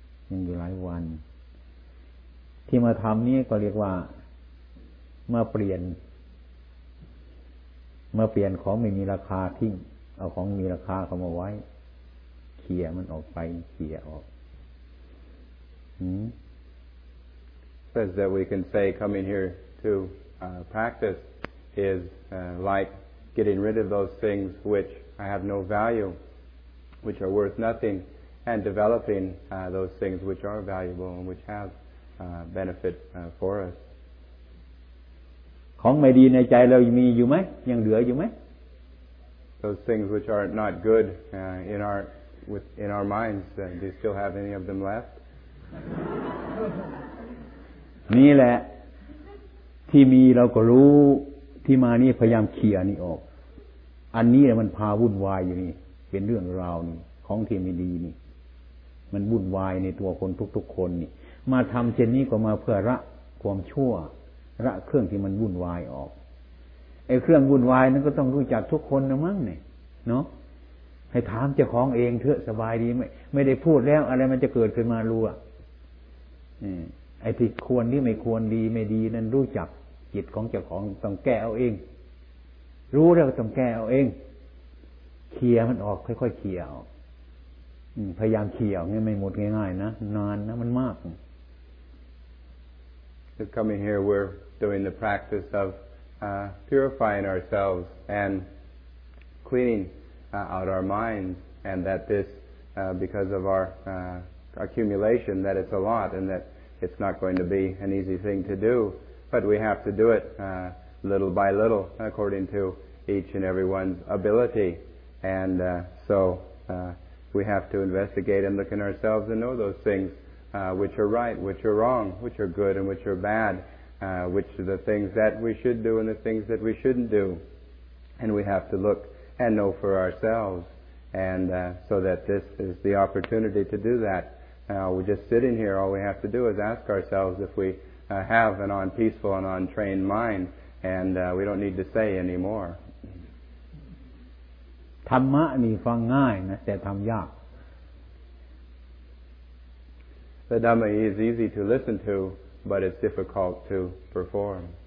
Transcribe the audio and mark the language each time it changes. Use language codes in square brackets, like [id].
[th] ยังอยู่หลายวันที่มาทำนี่ก็เรียกว่ามาเปลี่ยนมาเปลี่ยนของไม่มีราคาทิ้งเอาของมีราคาเข้ามาไว้เขี่ยมันออกไปเขี่ยออก [en] Says that we can say coming here to practice is like getting rid of those things which I have no value, which are worth nothing, and developing those things which are valuable and which have benefit for us. [th] ของไม่ดีในใจเรามีอยู่ไหมยังเหลืออยู่ไหม [en] Those things which are not good in our within our minds do you still have any of them left [th] นี่แหละที่มีเราก็รู้ที่มานี่พยายามเคลียร์นี่ออกอันนี้มันพาวุ่นวายอยู่นี่เป็นเรื่องราวนี่ของที่ไม่ดีนี่มันวุ่นวายในตัวคนทุกๆคนนี่มาทำเช่นนี้ก็มาเพื่อละความชั่วละเครื่องที่มันวุ่นวายออกไอ้เครื่องวุ่นวายนั้นก็ต้องรู้จักทุกคนนะมั้งเนี่ยเนาะให้ถามเจ้าของเองเถอะสบายดีไม่ได้พูดแล้วอะไรมันจะเกิดขึ้นมารู้อ่ะ ไอ้ที่ควรหรือไม่ควรดีไม่ดีนั้นรู้จักจิตของเจ้าของต้องแก้เอาเองรู้แล้วต้องแก้เอาเองเคลียร์มันออกค่อยๆเคลียร์พยายามเคลียร์งี้ไม่หมดง่ายๆนะนานนะมันมาก [en] We're coming here we're doing the practice of purifying ourselves and cleaningout our minds and that this because of our accumulation that it's a lot and that it's not going to be an easy thing to do but we have to do it little by little according to each and everyone's ability and so we have to investigate and look in ourselves and know those things which are right which are wrong which are good and which are bad which are the things that we should do and the things that we shouldn't do and we have to lookand know for ourselves and so that this is the opportunity to do that we're just sitting here all we have to do is ask ourselves if we have an on peaceful and on trained mind and we don't need to say any more [th] ธรรมะนี่ฟังง่ายนะแต่ทำยาก [en] The Dhamma is easy to listen to but it's difficult to perform